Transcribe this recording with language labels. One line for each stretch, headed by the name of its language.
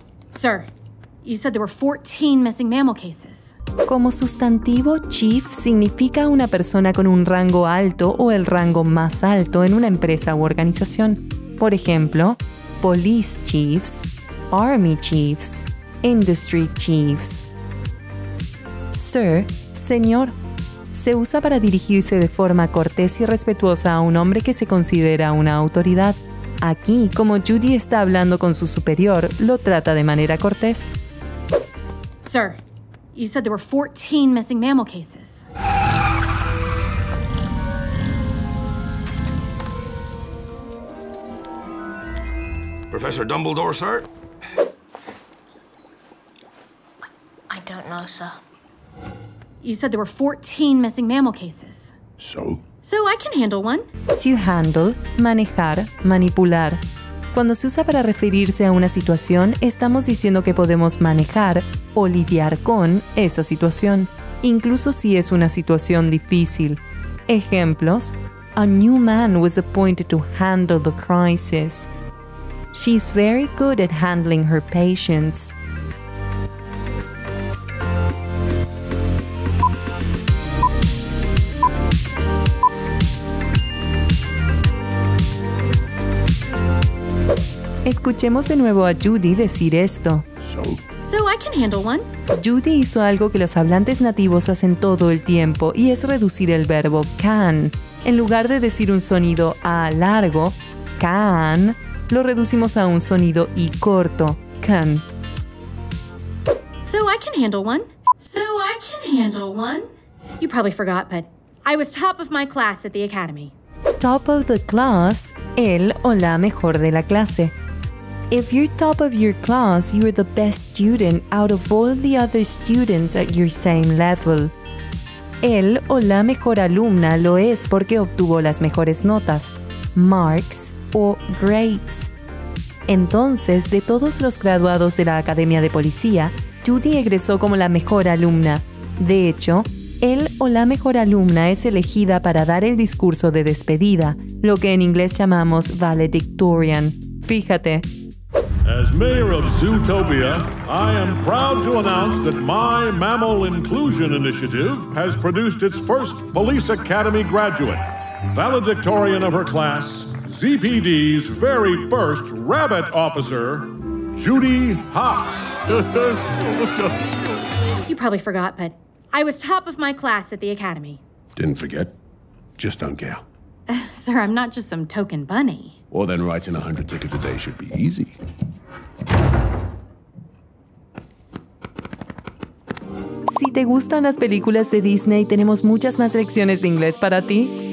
English: Sir, you said there were 14 missing mammal cases.
Spanish: Como sustantivo, chief significa una persona con un rango alto o el rango más alto en una empresa u organización.
English: Por ejemplo, police chiefs, army chiefs, industry chiefs.
Spanish: Sir, señor, se usa para dirigirse de forma cortés y respetuosa a un hombre que se considera una autoridad. Aquí, como Judy está hablando con su superior, lo trata de manera cortés.
English: Sir, you said there were 14 missing mammal cases. Professor Dumbledore, sir? I don't know, sir. You said there were 14 missing mammal cases. So? So I can handle one.
Spanish: To handle, manejar, manipular. Cuando se usa para referirse a una situación, estamos diciendo que podemos manejar o lidiar con esa situación, incluso si es una situación difícil.
English: Ejemplos: A new man was appointed to handle the crisis. She's very good at handling her patients.
Spanish: Escuchemos de nuevo a Judy decir esto.
English: So I can handle one.
Spanish: Judy hizo algo que los hablantes nativos hacen todo el tiempo y es reducir el verbo can. En lugar de decir un sonido A largo, can, lo reducimos a un sonido I corto, can.
English: So I can handle one. So I can handle one. You probably forgot, but I was top of my class at the academy.
Spanish: Top of the class, el o la mejor de la clase.
English: If you're top of your class, you're the best student out of all the other students at your same level.
Spanish: El o la mejor alumna lo es porque obtuvo las mejores notas, marks o grades. Entonces, de todos los graduados de la Academia de Policía, Judy egresó como la mejor alumna. De hecho, el o la mejor alumna es elegida para dar el discurso de despedida, lo que en inglés llamamos valedictorian. Fíjate.
English: As mayor of Zootopia, I am proud to announce that my mammal inclusion initiative has produced its first police academy graduate, valedictorian of her class, ZPD's very first rabbit officer, Judy Hopps. You probably forgot, but I was top of my class at the academy. Didn't forget. Just don't care. Sir, I'm not just some token bunny. Well, then writing 100 tickets a day should be easy.
Spanish: Si te gustan las películas de Disney, tenemos muchas más lecciones de inglés para ti.